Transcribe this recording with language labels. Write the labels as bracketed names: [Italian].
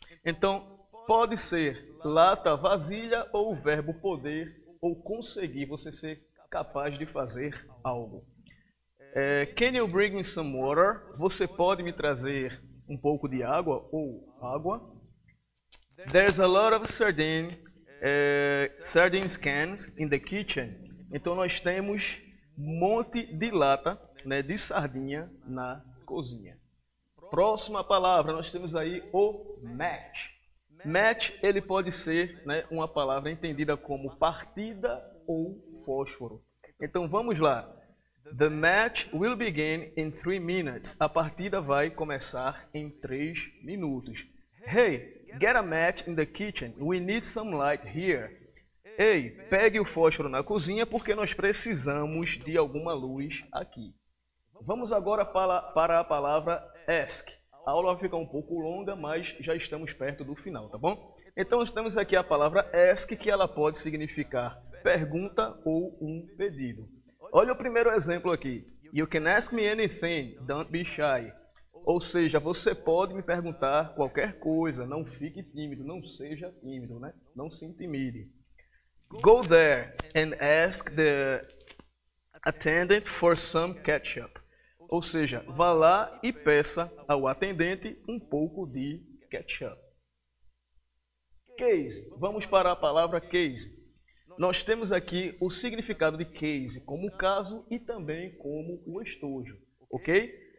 [Portuguese] Então, pode ser lata, vasilha ou o verbo poder ou conseguir, você ser capaz de fazer algo. [English] Can you bring me some water? [Portuguese] Você pode me trazer um pouco de água ou água? [English] There's a lot of sardines cans in the kitchen. [Portuguese] Então nós temos um monte de lata, né, de sardinha na cozinha. Próxima palavra, nós temos aí o match. Match, ele pode ser, né, uma palavra entendida como partida ou fósforo. Então vamos lá. [English] The match will begin in 3 minutes. [Portuguese] A partida vai começar em 3 minutos. [English] Hey, get a match in the kitchen. We need some light here. [Portuguese] Ei, pegue o fósforo na cozinha porque nós precisamos de alguma luz aqui. Vamos agora para a palavra ask. A aula vai ficar um pouco longa, mas já estamos perto do final, tá bom? Então, temos aqui a palavra ask, que ela pode significar pergunta ou um pedido. Olha o primeiro exemplo aqui. [English] You can ask me anything, don't be shy. [Portuguese] Ou seja, você pode me perguntar qualquer coisa, não fique tímido, não seja tímido, né? Não se intimide. [English] Go there and ask the attendant for some ketchup. [Portuguese] Ou seja, vá lá e peça ao atendente um pouco de ketchup. Case. Vamos para a palavra case. Nós temos aqui o significado de case como caso e também como o estojo, ok?